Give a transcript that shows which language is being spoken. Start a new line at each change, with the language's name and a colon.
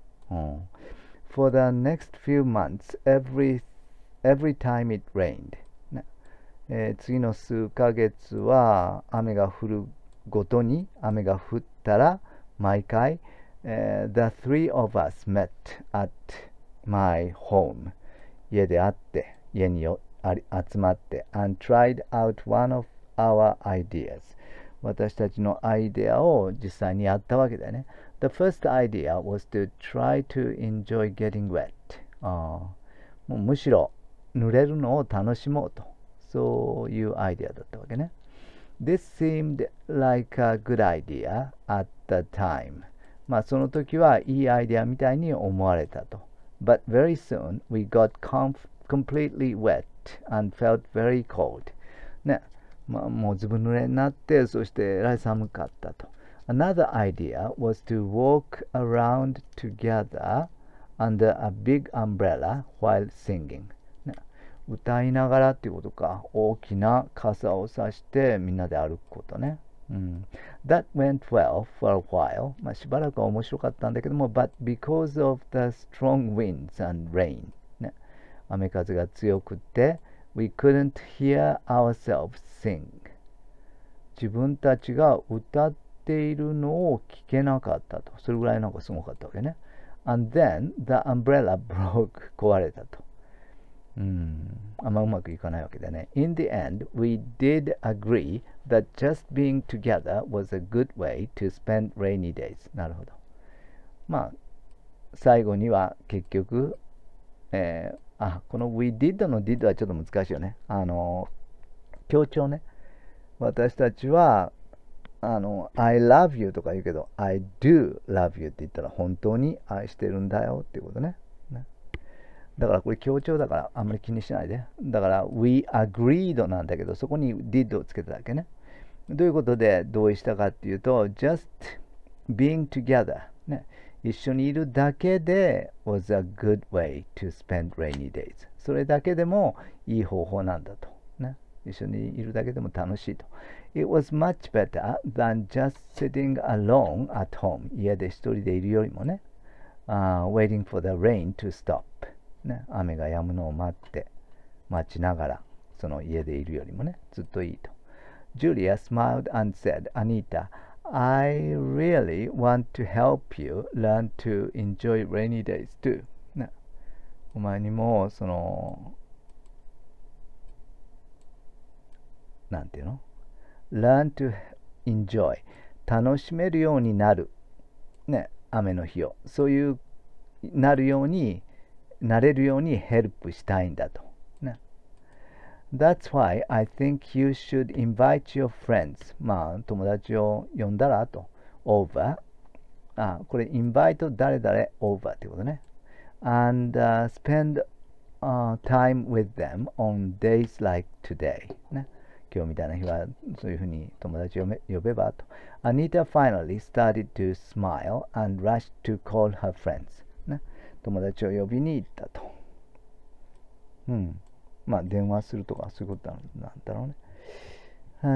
English: うん、For the next few months, every time it rained.、ね、
Japanese: 次の数ヶ月は雨が降るごとに雨が降ったら毎回、
English: The three of us met at my home.
Japanese: 家で会って、家に集まって、
English: and tried out one of our ideas.
Japanese: 私たちのアイデアを実際にやったわけだよね。
English: The first idea was to try to enjoy getting wet.
Japanese: もうむしろ濡れるのを楽しもうと。そういうアイデアだったわけね。
English: This seemed like a good idea at the time.
Japanese: まあその時はいいアイデアみたいに思われたと。
English: But very soon we got completely wet and felt very cold.
Japanese: ね、まあ、もうずぶ濡れになって、そしてえらい寒かったと。
English: Another idea was to walk around together under a big umbrella while singing.
Japanese: 歌いながらっていうことか。大きな傘をさしてみんなで歩くことね。
English: うん。That went well for a while.
Japanese: まあしばらくは面白かったんだけども、
English: But because of the strong winds and rain. ね。
Japanese: 雨風が強くて、
English: We couldn't hear ourselves sing.
Japanese: 自分たちが歌っているのを聞けなかったと。それぐらいなんかすごかったわけね。
English: And then the umbrella broke.
Japanese: 壊れたと。うん、あんまうまくいかないわけだね。
English: In the end, we did agree that just being together was a good way to spend rainy days.
Japanese: なるほど。まあ、最後には結局、この we did の did はちょっと難しいよね。強調ね。私たちは、
English: I love you
Japanese: とか言うけど、
English: I do love you
Japanese: って言ったら本当に愛してるんだよっていうことね。だからこれ強調だからあんまり気にしないで。だから We agreed なんだけど、そこに did をつけただけね。どういうことで同意したかっていうと、
English: just being together、
Japanese: ね、一緒にいるだけで
English: was a good way to spend rainy days。
Japanese: それだけでもいい方法なんだと、ね。一緒にいるだけでも楽しいと。
English: It was much better than just sitting alone at home。
Japanese: 家で一人でいるよりもね。
English: Waiting for the rain to stop。
Japanese: ね、雨が止むのを待って、待ちながら、その家でいるよりもね、ずっといいと。
English: Julia smiled and said, Anita, I really want to help you learn to enjoy rainy days too.、ね、
Japanese: お前にも、その、なんていうの ?
English: learn to enjoy。
Japanese: 楽しめるようになる。ね、雨の日を。そういう、なるように、なれるようにヘルプしたいんだと。ね。
English: That's why I think you should invite your friends.
Japanese: まあ、友達を呼んだらと。 over。 あ、これ、invite 誰々 over ってことね。
English: And spend time with them on days like today. ね。
Japanese: 今日みたいな日は、そういうふうに友達を呼べばと。
English: Anita finally started to smile and rushed to call her friends.
Japanese: 友達を呼びに行ったと。うん。まあ、電話するとか、そういうことなんだろうね。